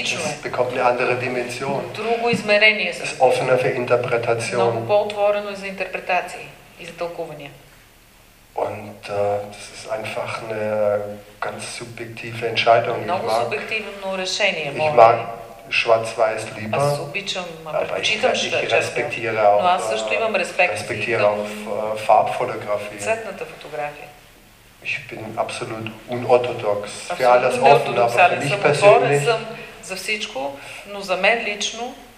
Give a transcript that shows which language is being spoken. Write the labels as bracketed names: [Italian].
[German] Es bekommt eine andere Dimension. [Bulgarian] Друго измерение. [German] Es ist offener für Interpretation. [Bulgarian] Много по-отворено за интерпретации и за тълкувания. [German] Und das ist einfach eine ganz subjektive Entscheidung. [Bulgarian] Много субективно решение. [German] Ich mag schwarz-weiß lieber. [Bulgarian] Аз обичам, предпочитам [German] schwarz-weiß. [Bulgarian] Но аз също имам респект. [German] Respektiere auch Farbfotografie. [Bulgarian] Цветната фотография. [German] Ich bin absolut unorthodox. Absolut für alles offen, aber für mich persönlich. [Bulgarian] За всичко, но за мен лично.